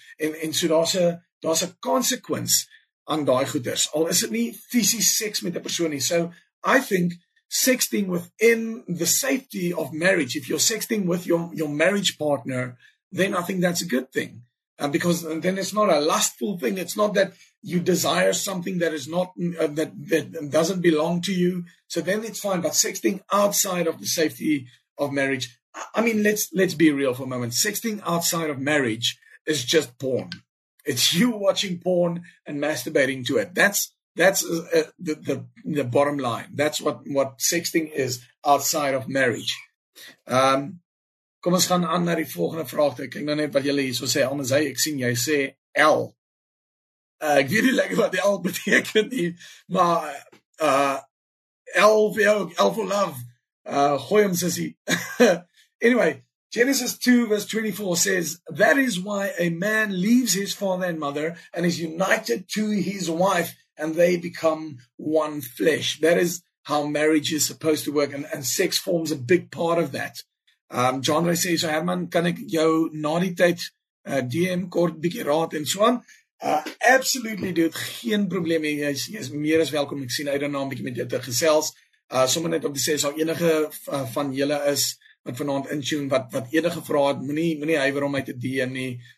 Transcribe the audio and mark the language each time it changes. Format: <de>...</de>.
<af>En so daar's 'n consequence aan daai goeders. Al is dit nie fisies seks met 'n persoon nie.</af> <en>So I think sexting within the safety of marriage, if you're sexting with your marriage partner, then I think that's a good thing. Because then it's not a lustful thing. It's not that you desire something that is not that doesn't belong to you. So then it's fine. But sexting outside of the safety of marriage, I mean, let's be real for a moment. Sexting outside of marriage is just porn. It's you watching porn and masturbating to it. That's the bottom line. That's what sexting is outside of marriage.</en> <af>Kom ons gaan aan na die volgende vraag. Ek kyk nou net wat julle hierso sê. Almal, ek sien jy sê L. Ek weet nie lekker wat L beteken nie, maar L vir jou,</af> <en>L for love.</en> <af>Gooi hom sissie.</af> <en>Anyway, Genesis 2 verse 24 says, that is why a man leaves his father and mother and is united to his wife and they become one flesh. That is how marriage is supposed to work, and sex forms a big part of that.</en> <af>John Ray says, so Herman, kan ek jou na die tyd DM kort bietjie raad en so aan?</af> <en>Absolutely, dude.</en> <af>Geen probleem. Jy is meer as welkom. Ek sien uit daarna om bietjie met jou te gesels. Sommige net op die sê, sal enige van julle is wat vanaand intune, wat enige vraag het, moenie huiwer om my te DM nie.</af>